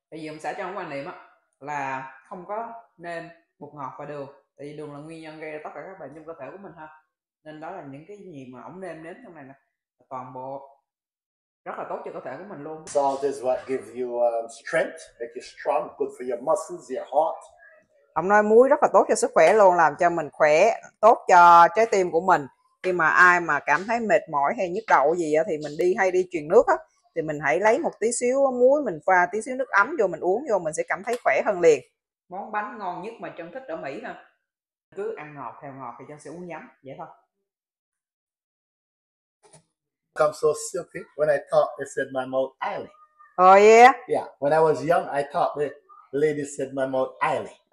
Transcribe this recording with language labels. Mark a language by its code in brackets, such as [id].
[vi] Bây giờ mình sẽ cho một quan niệm á là không có nên bột ngọt và đường, tại vì đường là nguyên nhân gây ra tất cả các bệnh trong cơ thể của mình ha. Nên đó là những cái gì mà ổng nêm nếm trong này nè, toàn bộ rất là tốt cho cơ thể của mình luôn. [en] Salt is what gives you strength, make you strong, good for your muscles, your [vi] Ông nói muối rất là tốt cho sức khỏe luôn, làm cho mình khỏe, tốt cho trái tim của mình. Khi mà ai mà cảm thấy mệt mỏi hay nhức đầu gì á, thì mình đi hay đi truyền nước á, thì mình hãy lấy một tí xíu muối, mình pha tí xíu nước ấm vô, mình uống vô, mình sẽ cảm thấy khỏe hơn liền. Món bánh ngon nhất mà Trân thích ở Mỹ ha, cứ ăn ngọt theo ngọt thì Trân sẽ uống nhắm, vậy thôi. [en] Become so silky. When I talk, they said my mouth oily. When I was young, I talk, the lady said my mouth oily.